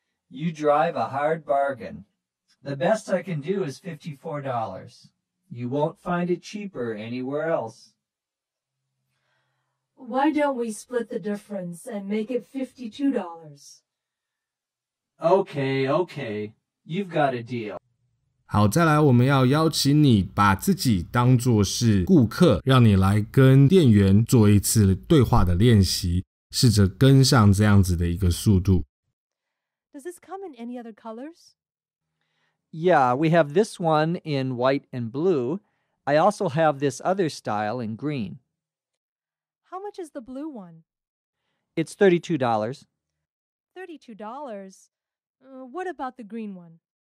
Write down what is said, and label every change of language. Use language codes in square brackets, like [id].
[en] You drive a hard bargain. The best I can do is $54. You won't find it cheaper anywhere else. Why don't we split the difference and make it $52? Okay, okay. You've got a deal. [zh] 好，再来我们要邀请你把自己当作是顾客，让你来跟店员做一次对话的练习，试着跟上这样子的一个速度。 [en] Does this come in any other colors? Yeah, we have this one in white and blue. I also have this other style in green. How much is the blue one? It's $32. $32? What about the green one?